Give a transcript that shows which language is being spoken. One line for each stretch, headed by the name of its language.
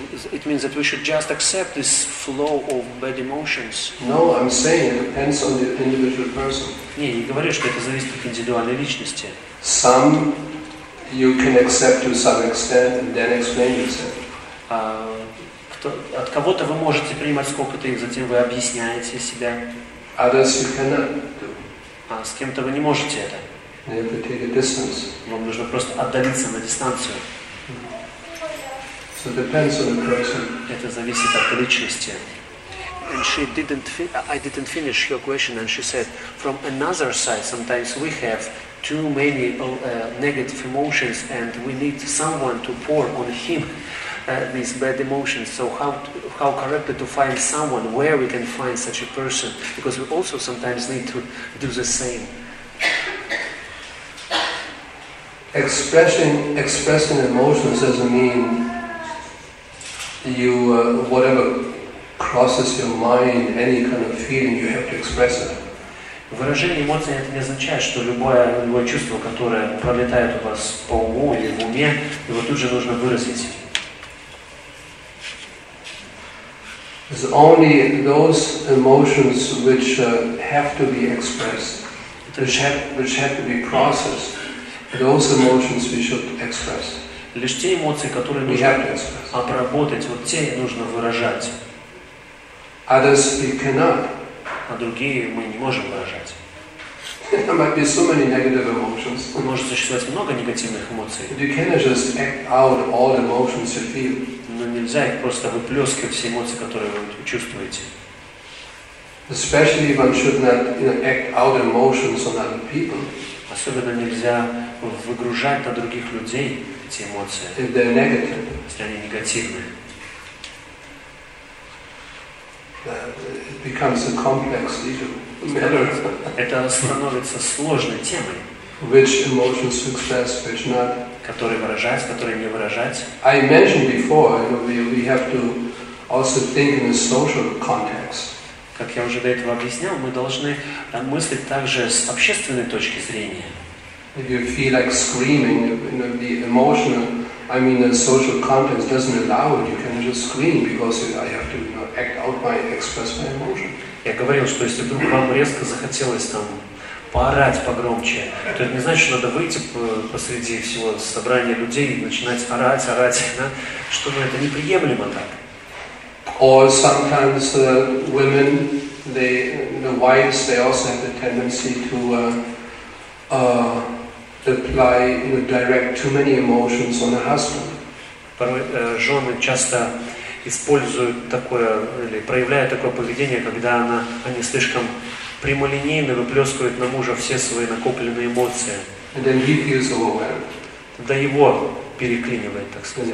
English: It means that we should just accept this flow of bad emotions. No, I'm saying it depends on the individual person.
Russian: Не, не говорю, что это зависит от индивидуальной личности.
English: Some you can accept to some extent and then explain yourself.
Russian: От кого-то вы можете принимать сколько-то, и затем вы объясняете себя.
English: Others you cannot do.
Russian: А с кем-то вы не можете это.
English: And you have to take a distance.
Russian: Вам нужно просто отдалиться на дистанцию.
English: So it depends on the person.
Russian: Это зависит от личности.
English: And she didn't I didn't finish her question, and she said, from another side, sometimes we have too many negative emotions, and we need someone to pour on him these bad emotions. So how correctly to find someone, where we can find such a person? Because we also sometimes need to do the same. Expressing emotions doesn't mean you whatever crosses your mind, any kind of feeling, you have to express it.
Russian: Выражение эмоций — это не означает, что любое чувство, которое пролетает у вас по уму или в уме, его тут же нужно выразить.
English: It's only those emotions which have to be expressed, which have to be processed, those emotions we should express.
Russian: Лишь те эмоции, которые нужно обработать, вот те нужно выражать.
English: Others we cannot.
Russian: А другие мы не можем выражать.
English: There might be so many negative emotions.
Russian: Может существовать много негативных эмоций.
English: You cannot just act out all emotions you feel.
Russian: Но нельзя их просто выплескивать, все эмоции, которые вы чувствуете.
English: Especially one should not, you know, act out emotions on other people.
Russian: Особенно нельзя выгружать на других людей эти эмоции.
English: If they're negative.
Russian: Если они негативные.
English: It becomes a complex matter.
Russian: Это становится сложной темой.
English: Which emotions to express, which not?
Russian: Которые выражать, которые не выражать?
English: I mentioned before, you know, we have to also think in a social context.
Russian: Как я уже до этого объяснял, мы должны мыслить также с общественной точки зрения.
English: If you feel like screaming, you know, the emotional, I mean, the social context doesn't allow it. You can just scream because I have to, you know, act out my express my emotion.
Russian: Я говорил, что если вдруг вам резко захотелось там поорать погромче, то это не значит, что надо выйти посреди всего собрания людей и начинать орать, да? Что же это неприемлемо так?
English: Or sometimes women, they, the wives, they also have the tendency to apply, you know, direct too many emotions on the husband.
Russian: Порой жены часто используют такое или проявляют такое поведение, когда они слишком прямолинейно выплескивают на мужа все свои накопленные эмоции.
English: And then he feels overwhelmed.
Russian: Тогда его переклинивает, так сказать.